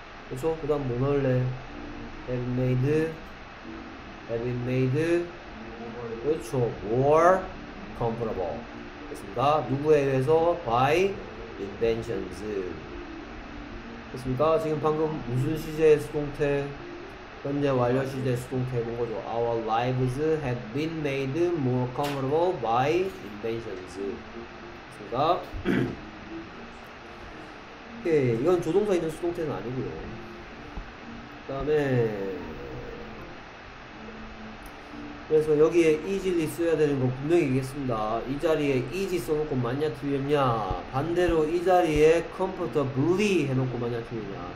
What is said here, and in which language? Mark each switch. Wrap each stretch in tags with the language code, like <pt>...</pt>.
<ko>그렇죠? 그 다음 뭐 넣을래?</ko> <en>Have been made.</en> <ko>그렇죠.</ko> <en>More comfortable.</en> <ko>됐습니다. 누구에 의해서?</ko> <en>By inventions. 됐습니까?</en> <ko>지금 방금 무슨 시제의 수동태? 현재 완료 시제의 수동태 본 거죠.</ko> <en>Our lives have been made more comfortable by inventions.</en> <ko>됐습니까? 오케이. 이건 조동사 있는 수동태는 아니고요. 그 다음에, 그래서 여기에 easily 써야 되는 거 분명히 얘기했습니다. 이 자리에 easy 써놓고 맞냐 틀렸냐, 반대로 이 자리에 comfortably 해놓고 맞냐 틀렸냐.</ko>